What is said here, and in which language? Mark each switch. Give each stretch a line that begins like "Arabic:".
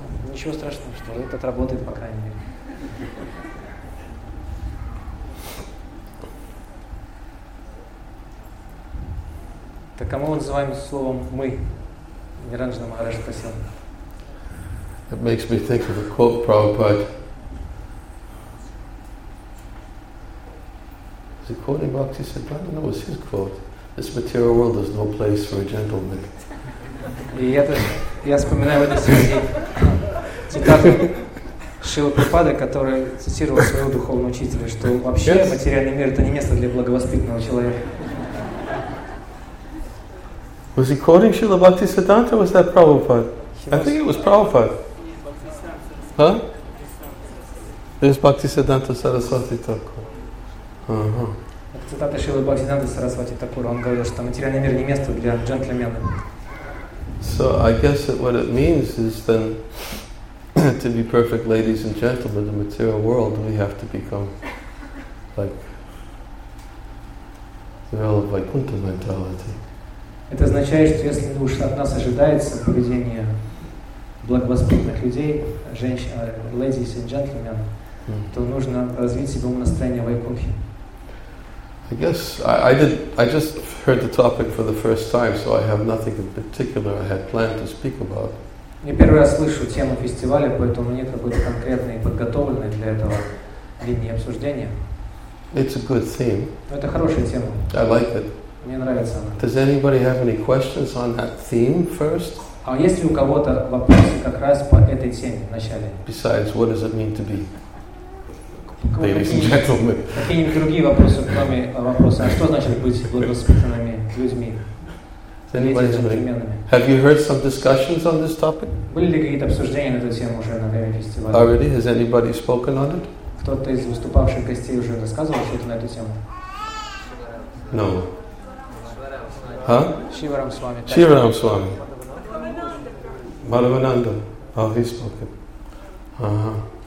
Russian: Ничего страшного, что этот работает, по крайней мере. Так кому мы называем словом «мы»? Ниранджана Махарадж спросил.
English: It makes me think of a quote Prabhupada. Is he quoting Bhakti Siddhanta? No, it's his quote. This material world is no place for a gentleman.
Russian: И я вспоминаю в этой связи цитату Шрилы Прабхупады, который цитировал своего духовного учителя, что вообще материальный мир – это не место для благовоспитанного человека.
English: Was he quoting Srila Bhaktisiddhanta, or was that Prabhupada? I think it was Prabhupada. Huh? There's Bhaktisiddhanta Saraswati Thakur. Uh-huh.
Russian: Цитата Шрилы Бхактисиддханты Сарасвати Такур. Он говорил, что материальный мир не место для джентльмена.
English: So I guess that what it means is then to be perfect ladies and gentlemen in the material world, we have to become like the real Vaikuntha mentality.
Russian: Это означает, что если уж от нас ожидается поведение благовоспитанных людей, женщин,
English: ladies and gentlemen,
Russian: то нужно развить себе настроение Вайкунхи.
English: I guess I just heard the topic for the first time, so I have nothing in particular I had planned to speak about.
Russian: Не первый раз слышу тему фестиваля, поэтому нет какой-то конкретной подготовленной для этого линии обсуждения.
English: It's a good theme.
Russian: Это хорошая тема.
English: I like it.
Russian: Мне нравится она.
English: Does anybody have any questions on that theme first?
Russian: А есть ли у кого-то вопросы как раз по этой теме в начале?
English: Besides, what does it mean to be? Ladies and gentlemen.
Russian: Какие-нибудь другие вопросы, кроме вопроса, а что значит быть благовоспитанными людьми?
English: Have you heard some discussions on this topic?
Russian: Были ли какие-то обсуждения на эту тему уже на время фестиваля?
English: Already? Has anybody spoken on it?
Russian: Кто-то из выступавших гостей уже рассказывал что-то на эту тему?
English: No. Huh? Shivaram Swami. Madhavananda. Oh, he's spoken. Uh-huh.